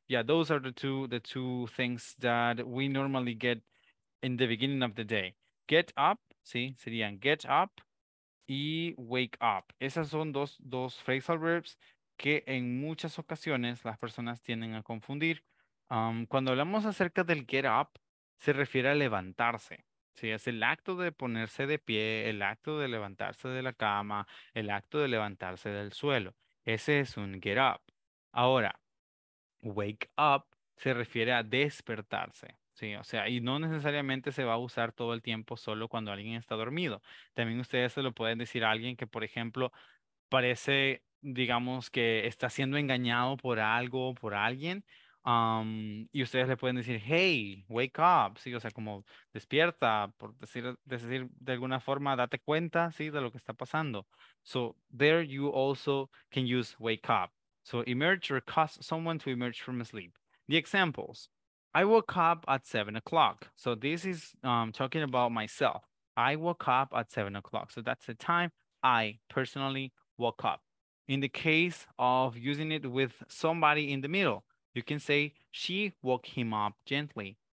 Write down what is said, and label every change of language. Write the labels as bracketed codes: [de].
[en] Yeah, those are the two things that we normally get in the beginning of the day. Get up, [es] sí, serían [en] get up y wake up. [es] Esas son dos phrasal verbs que en muchas ocasiones las personas tienden a confundir. Cuando hablamos acerca del get up, se refiere a levantarse. ¿Sí? Es el acto de ponerse de pie, el acto de levantarse de la cama, el acto de levantarse del suelo. Ese es un get up. Ahora, wake up se refiere a despertarse. Sí, o sea, y no necesariamente se va a usar todo el tiempo solo cuando alguien está dormido. También ustedes se lo pueden decir a alguien que, por ejemplo, parece, digamos, que está siendo engañado por algo o por alguien. Y ustedes le pueden decir, hey, wake up, sí, o sea, como despierta, por decir de alguna forma, date cuenta, sí, de lo que está pasando. [en] So, there you also can use wake up. So, emerge or cause someone to emerge from sleep. The examples. I woke up at 7 o'clock. So this is talking about myself. I woke up at 7 o'clock. So that's the time I personally woke up. In the case of using it with somebody in the middle, you can say she woke him up gently.